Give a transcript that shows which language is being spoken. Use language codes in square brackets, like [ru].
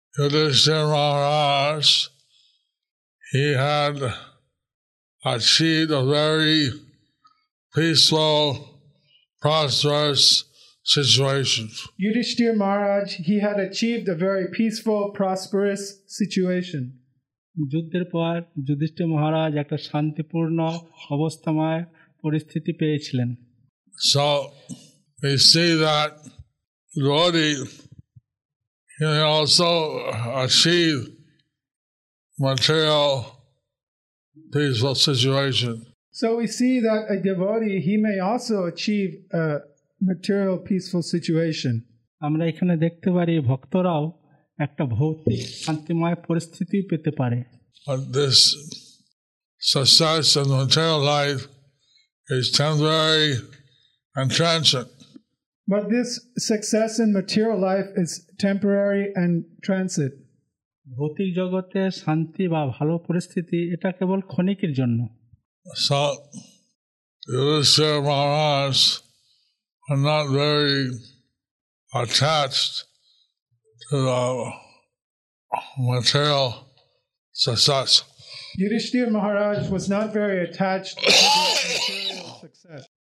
[en] Yudhishthira Maharaj, he had achieved a very peaceful, prosperous situation. Yudhishthira Maharaj, he had achieved a very peaceful, prosperous situation. [bn] যুদ্ধের পর যুধিষ্ঠির মহারাজ একটা শান্তিপূর্ণ অবস্থায় পরিস্থিতি পেয়েছিলেন [en] So we see that Gaudi also achieved material peaceful situation. So we see that a devotee he may also achieve a material peaceful situation. [bn] আমরা এখানে দেখতে পারি ভক্তরাও একটা ভৌতিক শান্তিময় পরিস্থিতি পেতে পারে [en] But this success in the material life is temporary and transient. But this success in material life is temporary and transient. [bn] ভৌতিক জগতে শান্তি বা ভালো পরিস্থিতি এটা কেবল ক্ষণিকের জন্য. [en] So, Yudhishthira Maharaj are not very attached to the material success. Yudhishthira Maharaj was not very attached to the success.